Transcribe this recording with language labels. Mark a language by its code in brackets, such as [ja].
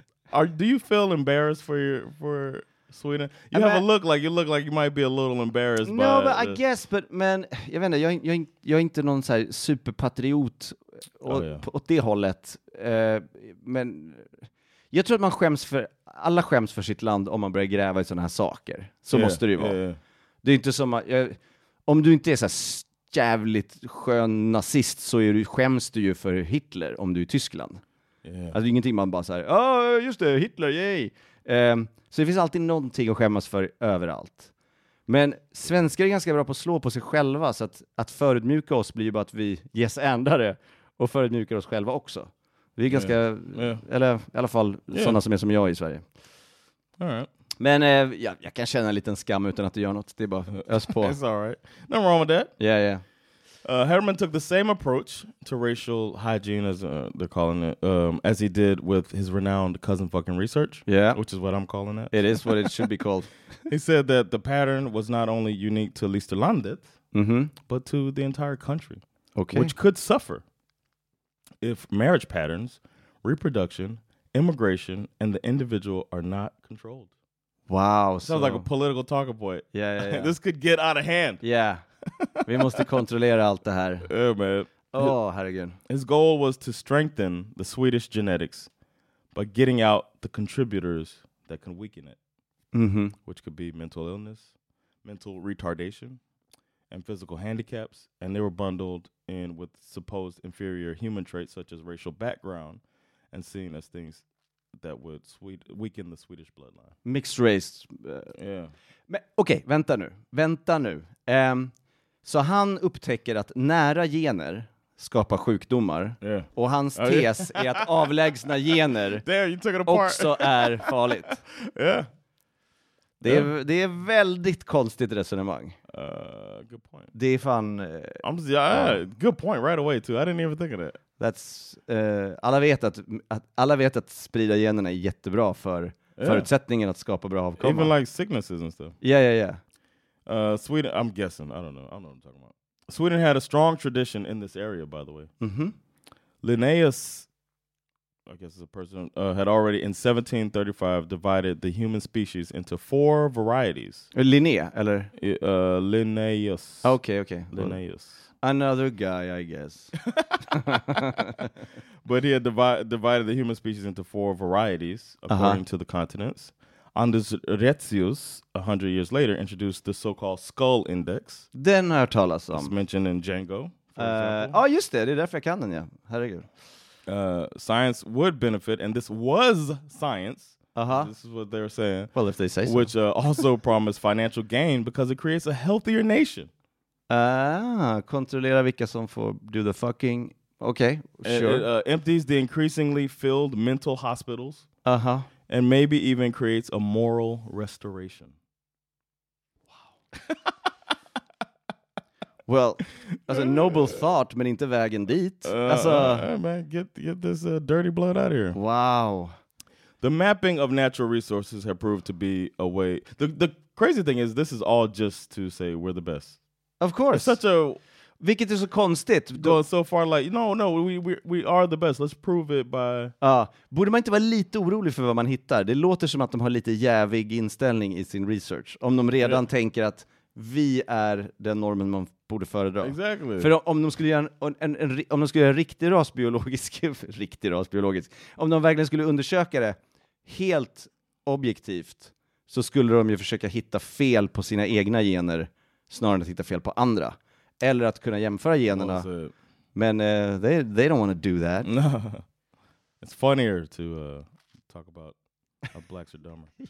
[en] Do you feel embarrassed for Sweden? You I have mean, a look like you look like you might be a little embarrassed. No, by but this. I guess, but man, [sv] jag vet inte, jag är inte någon så här superpatriot åt det hållet. Men jag tror att man skäms för sitt land om man börjar gräva i såna här saker. Så måste det ju vara. [en] Yeah. [sv] Det är inte som att om du inte är så här jävligt skön nazist så är du, skäms du ju för Hitler om du är i Tyskland. [en] Yeah. [sv] Alltså det är ingenting man bara säger, just det, Hitler, yay! Så det finns alltid någonting att skämmas för överallt. Men svenskar är ganska bra på att slå på sig själva, så att förutmjuka oss blir ju bara att vi ges ändare och förutmjukar oss själva också. Vi är ganska, eller i alla fall sådana som är som jag i Sverige. [en] All right. [sv] Men jag kan känna en liten skam utan att det gör något. Det är bara ös på. [en] It's all right. Nothing wrong with that. Yeah. Herman took the same approach to racial hygiene, as they're calling it, as he did with his renowned cousin fucking research. Yeah. Which is what I'm calling it. It is what it should be called. He said that the pattern was not only unique to Listerlandet, mm-hmm. but to the entire country. Okay. Which could suffer if marriage patterns, reproduction, immigration, and the individual are not controlled. Wow. Sounds like a political talking point. Yeah. This could get out of hand. Yeah. [sv] Vi måste kontrollera allt det här. [en] Yeah, man. [sv] Oh, herregud. [en] His goal was to strengthen the Swedish genetics by getting out the contributors that can weaken it, mm-hmm. which could be mental illness, mental retardation, and physical handicaps. And they were bundled in with supposed inferior human traits such as racial background and seen as things that would weaken the Swedish bloodline. Mixed race. [sv] Okej, vänta nu. Så han upptäcker att nära gener skapa sjukdomar. [en] Yeah. [sv] Och hans tes är att avlägsna gener också är farligt. [en] Yeah. [sv] Det, är, det är väldigt konstigt resonemang. [en] Good point. [sv] Det är fan... [en] Good point right away too. I didn't even think of that. [sv] That's, alla vet att, alla vet att sprida generna är jättebra för förutsättningen att skapa bra avkomma. [en] Even like sicknesses and stuff. Yeah, yeah, yeah. Sweden, I'm guessing. I don't know what I'm talking about. Sweden had a strong tradition in this area, by the way. Mm-hmm. Linnaeus, I guess is a person, had already in 1735 divided the human species into four varieties. [sv] Linnea, eller? [en] Linnaeus. Okay, okay. Linnaeus. Another guy, I guess. But he had divided the human species into four varieties, according to the continents. Anders Retzius, 100 years later, introduced the so-called skull index. [sv] Den har jag talas om. [en] It's mentioned in Django. [sv] Ja, just det. Det är därför jag kan den, ja. Herregud. [en] Science would benefit, and this was science. Uh-huh. This is what they were saying. Well, if they say so. Which also promised financial gain because it creates a healthier nation. [sv] Kontrollera vilka som får [en] do the fucking... Okay, sure. It empties the increasingly filled mental hospitals. Uh-huh. And maybe even creates a moral restoration. Wow. Well, that's a noble thought, but not the way in dit. Man, get this dirty blood out of here. Wow. The mapping of natural resources have proved to be a way. The crazy thing is, this is all just to say we're the best. Of course. It's such a... [sv] Vilket är så konstigt. [en] Going so far like, no, we are the best. Let's prove it by... [sv] Borde man inte vara lite orolig för vad man hittar? Det låter som att de har lite jävig inställning i sin research. Om de redan tänker att vi är den normen man borde föredra. Exactly. För om de skulle göra om de skulle göra riktig rasbiologisk... riktig rasbiologisk. Om de verkligen skulle undersöka det helt objektivt, så skulle de ju försöka hitta fel på sina egna gener snarare än att hitta fel på andra. Eller att kunna jämföra generna. [en] Men they don't want to do that. No. It's funnier to talk about how blacks are dumber.